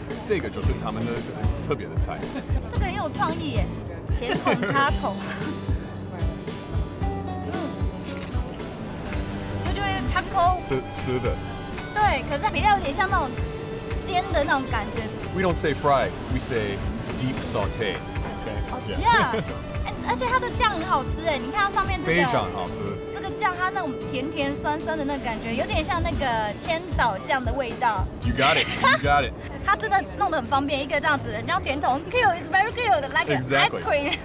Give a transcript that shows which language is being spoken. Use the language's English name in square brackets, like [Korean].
[Chinese] 这个就是他们的特别的菜。这个很有创意耶，甜筒插口。它就是 taco。吃的。对，可是它比较有点像那种煎的那种感觉。 [English] We don't say fry, we say deep saute. Okay. [Chinese] Yeah. 而且它的酱很好吃哎，你看它上面这个。非常好吃。酱它那种甜甜酸酸的那感觉，有点像那个千岛酱的味道。 [English] You got it, you got it. [Chinese] 它真的弄得很方便，一个这样子，然后甜筒 ， [English] cute, it's very cute, like ice cream.